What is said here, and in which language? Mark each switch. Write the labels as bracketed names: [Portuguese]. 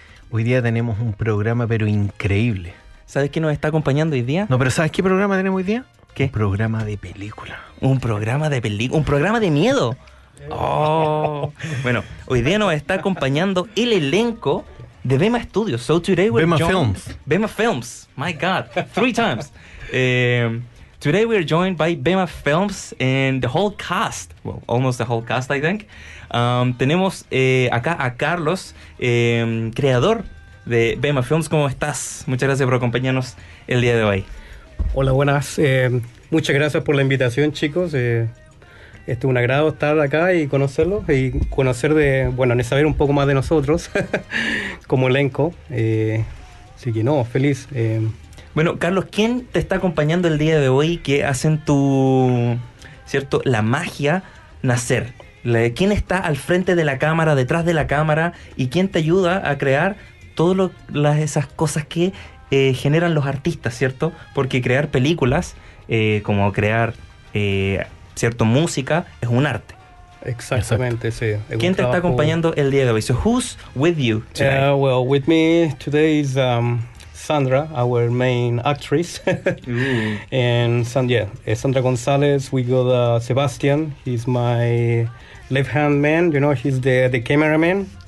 [Spanish] Hoy día tenemos un programa, pero increíble. ¿Sabes quién nos está acompañando hoy día? No, pero ¿sabes qué programa tenemos hoy día? ¿Qué? Un programa de película. ¿Un programa de película? ¿Un programa de miedo? ¡Oh! Bueno, hoy día nos está acompañando el elenco de Bema Studios. [English] So today we're Bema Films. Bema Films. My God. Three times. Today we are joined by Bema Films and the whole cast. Well, almost the whole cast, I think. [Spanish] Tenemos acá a Carlos, creador de Bema Films. ¿Cómo estás? Muchas gracias por acompañarnos el día de hoy. Hola, buenas. Muchas gracias por la invitación, chicos. Este es un agrado estar acá y conocerlos y conocer de, bueno, y saber un poco más de nosotros como elenco. Así que no, feliz. Bueno, Carlos, ¿quién te está acompañando el día de hoy? ¿Qué hacen tu, cierto, la magia nacer? ¿Quién está al frente de la cámara, detrás de la cámara? ¿Y quién te ayuda a crear todas esas cosas que generan los artistas, cierto? Porque crear películas, como crear, cierto, música, es un arte. Exactamente, sí. ¿Quién te está acompañando el día de hoy? [English] So, who's with you today? Well, with me today is Sandra, our main actress, and Sandra González. We got Sebastian. He's my left hand man. You know, he's the cameraman,